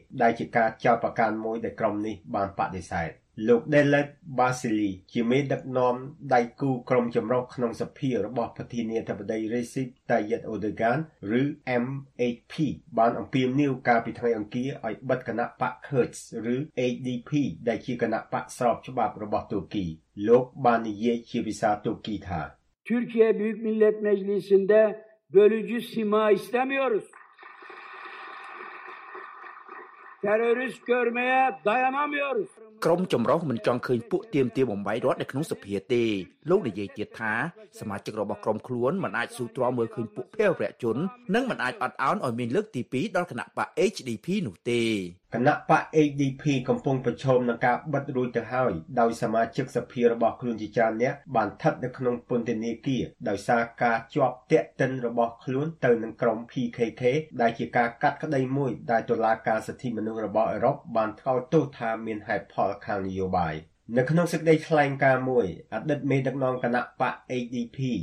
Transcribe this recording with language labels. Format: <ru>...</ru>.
<km>ដែលជាការចោទប្រកាន់មួយដែលក្រុមនេះបានបដិសេធលោក Delet Basili ជាមេដឹកនាំដៃគូក្រុមចម្រុះក្នុងសភារបស់ប្រធានាធិបតី Recep Tayyip Erdogan ឬ MHP បានអំពាវនាវការពិធីអង្គារឲ្យបិទគណៈបក Kurds ឬ HDP ដែលជាគណៈបកស្របច្បាប់របស់ទួរគីលោកបាននិយាយជាភាសាទូគីថា</km> <tr>Türkiye Büyük Millet Meclisi'nde bölücü sima istemiyoruz. Terörist görmeye dayanamıyoruz.</tr> <km>ក្រុមចម្រុះមិនចង់ឃើញពួកទៀមទៀមបំបីរត់នៅក្នុងសភាទេលោកនិយាយទៀតថាសមាជិករបស់ក្រុមខ្លួនមិនអាចស៊ូទ្រាំមើលឃើញពួកភេរវជននិងមិនអាចអត់ឱនឲ្យមានលើកទី2ដល់គណៈបក HDP នោះទេ គណៈបក HDP កំពុងប្រឈមនឹងការបិទរួចទៅហើយដោយសមាជិកសភារបស់ខ្លួនជាច្រើននាក់បានស្ថិតនៅក្នុងពន្ធនាគារដោយសារការជាប់ទាក់ទិនរបស់ខ្លួនទៅនឹងក្រុម PKK ដែលជាការកាត់ក្តីមួយដែលតុលាការសិទ្ធិមនុស្សរបស់អឺរ៉ុបបានថ្កោលទោសថាមានហេតុផលខាងនយោបាយនៅក្នុងសេចក្តីថ្លែងការណ៍មួយអតីតមេដឹកនាំគណៈបក HDP</km>